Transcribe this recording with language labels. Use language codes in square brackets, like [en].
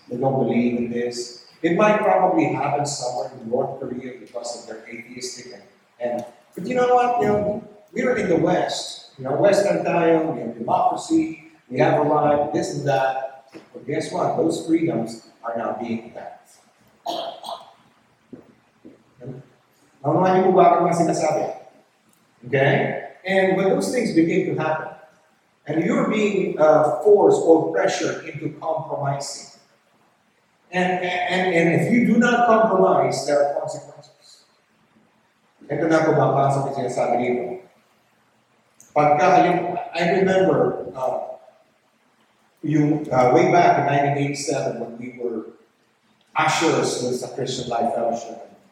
[en] They don't believe in this. It might probably happen somewhere in North Korea because of their atheistic and but you know what? You know, we're in the West. You know, Western [tl] tayo, [en] we have democracy, we have a life, this and that. But guess what? Those freedoms are now being attacked. [tl] Naunahan niyo po ba ang mga sinasabi? [en] Okay? And when those things begin to happen, and you're being forced or pressured into compromising, and if you do not compromise, there are consequences. [tl] Ito na po mabasa ko sinasabi dito. Pagka, [en] I remember way back in 1987 when we were ushers with the Christian Life Fellowship.